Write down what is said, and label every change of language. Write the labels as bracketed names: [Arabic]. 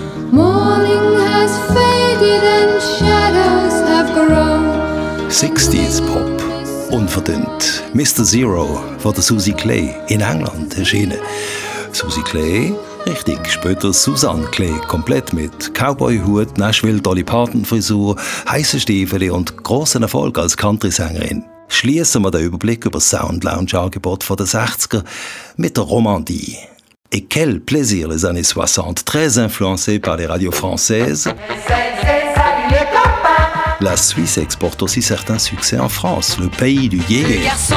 [English] Morning has faded and shadows have grown. [German] 60s Pop. Unverdünnt. Mr. Zero von der Susie Clay in England erschienen. Susie Clay, richtig, später Susan Clay, komplett mit Cowboy-Hut, Nashville Dolly Parton-Frisur, heißen Stiefeln und grossen Erfolg als Country-Sängerin. Schließen wir den Überblick über das Sound-Lounge-Angebot der 60er mit der Romandie. [French] Et quel plaisir les années 60, très influencé par les radios françaises. La Suisse exporte aussi certains succès en France, le pays du yé-yé.